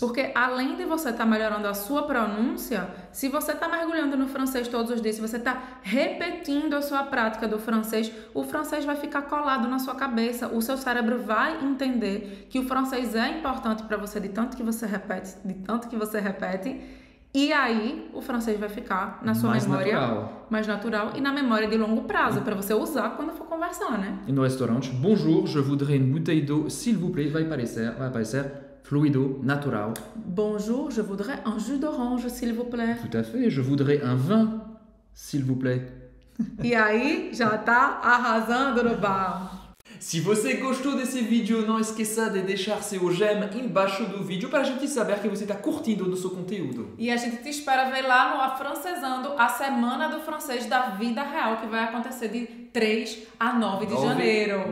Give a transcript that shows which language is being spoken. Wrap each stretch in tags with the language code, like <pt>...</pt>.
<pt>Porque além de você estar melhorando a sua pronúncia, se você está mergulhando no francês todos os dias, se você está repetindo a sua prática do francês, o francês vai ficar colado na sua cabeça, o seu cérebro vai entender que o francês é importante para você, de tanto que você repete, e aí o francês vai ficar na sua mais memória natural. Mais natural e na memória de longo prazo, para você usar quando for conversar, né? E no restaurante,</pt> <fr>bonjour, je voudrais une bouteille d'eau, s'il vous plaît,</fr> <pt>vai aparecer fluido, natural.</pt> <fr>Bonjour, je voudrais un jus d'orange, s'il vous plaît. Tout à fait, je voudrais un vin, s'il vous plaît.</fr> <pt>E aí, já tá arrasando no bar. Se você gostou desse vídeo, não esqueça de deixar seu gem embaixo do vídeo para a gente saber que você está curtindo o nosso conteúdo. E a gente te espera ver lá no Afrancesando, a Semana do Francês da Vida Real, que vai acontecer de 3 a 9 de janeiro.</pt>